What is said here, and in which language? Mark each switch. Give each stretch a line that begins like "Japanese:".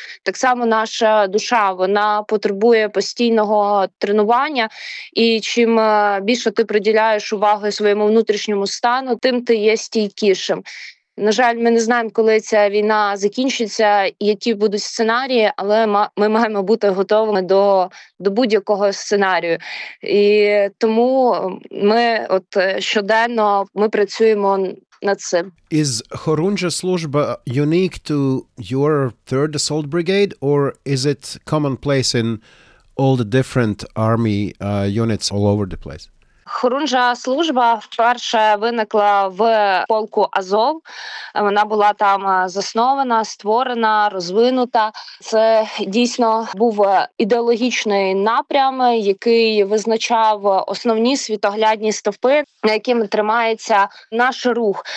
Ukrainian: Так само наша душа, вона потребує постійного тренування, і чим більше ти приділяєш уваги своєму внутрішньому стану, тим ти є стійкішим. На жаль, ми не знаємо, коли ця війна закінчиться, які будуть сценарії, але ми маємо бути готовими до будь-якого сценарію. І тому ми от щоденно ми працюємо над цим.
English: Is Хорунжа служба unique to your third assault brigade, or is it commonplace in all the different army units all over the place?
Ukrainian: Хорунжа служба вперше виникла в полку Азов. Вона була там заснована, створена, розвинута. Це дійсно був ідеологічний напрям, який визначав основні світоглядні стовпи, на якими тримається наш рух.